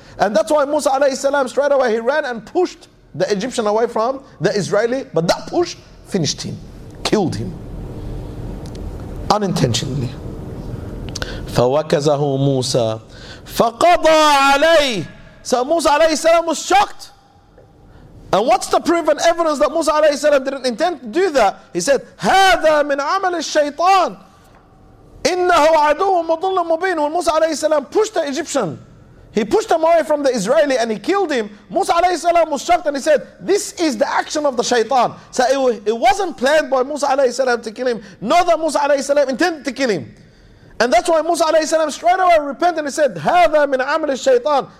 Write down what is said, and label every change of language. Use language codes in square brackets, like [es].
[en] And that's why Musa alayhi salam, straight away, he ran and pushed the Egyptian away from the Israeli, but that push finished him, killed him, unintentionally. [ar] فَوَكَزَهُ مُوسَى فَقَضَى عَلَيْهِ. [en] So Musa alayhi salam was shocked. And what's the proof and evidence that Musa alayhi salam didn't intend to do that? He said, [ar] هَذَا مِنْ عَمَلِ الشَّيْطَانِ إِنَّهُ عَدُوٌ مُضُلٌ مُبِينٌ. [en] When Musa alayhi salam pushed the Egyptian, he pushed him away from the Israeli and he killed him, Musa alayhi salam was shocked and he said, this is the action of the shaitan. So it wasn't planned by Musa alayhi salam to kill him, nor that Musa alayhi salam intended to kill him. And that's why Musa alayhi salam straight away repented and he said, [ar] هَذَا مِنْ عَمْلِ الشَّيْطَانِ.